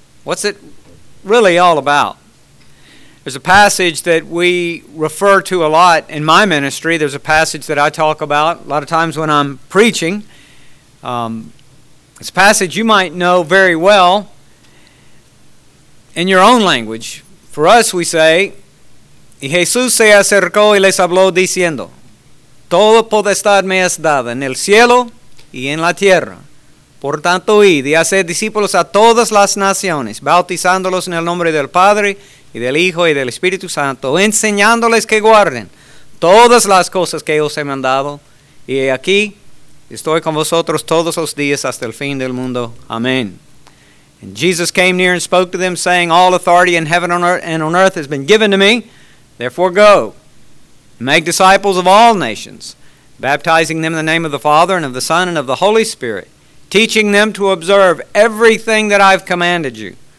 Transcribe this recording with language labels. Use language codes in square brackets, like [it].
[en] What's it really all about? There's a passage that we refer to a lot in my ministry. There's a passage that I talk about a lot of times when I'm preaching. It's a passage you might know very well in your own language. For us, we say, [es] y Jesús se acercó y les habló diciendo, todo potestad me es dada en el cielo y en la tierra. Por tanto, id y haced discípulos a todas las naciones, bautizándolos en el nombre del Padre, y del Hijo, y del Espíritu Santo, enseñándoles que guarden todas las cosas que os he mandado. Y aquí estoy con vosotros todos los días hasta el fin del mundo. Amén. [en] And Jesus came near and spoke to them, saying, all authority in heaven and on earth has been given to me. Therefore go, make disciples of all nations, baptizing them in the name of the Father, and of the Son, and of the Holy Spirit, teaching them to observe everything that I've commanded you.